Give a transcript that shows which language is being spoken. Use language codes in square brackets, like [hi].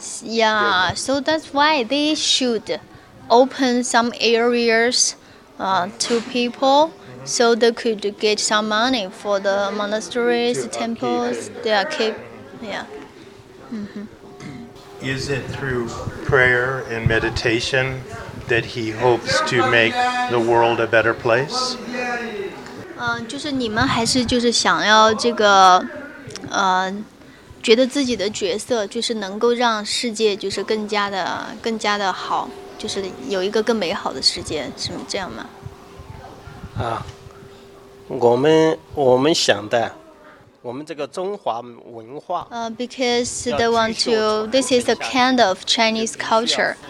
[en] Yeah, so that's why they should open some areas to people so they could get some money for the monasteries, temples, their keep. Yeah. Is it through prayer and meditation that he hopes to make the world a better place? [zh] 就是你们还是就是想要这个觉得自己的角色就是能够让世界就是更加的好，就是有一个更美好的世界，是这样吗？我们想的我们这个中华文化 [en] because they want to, this is a kind of Chinese culture.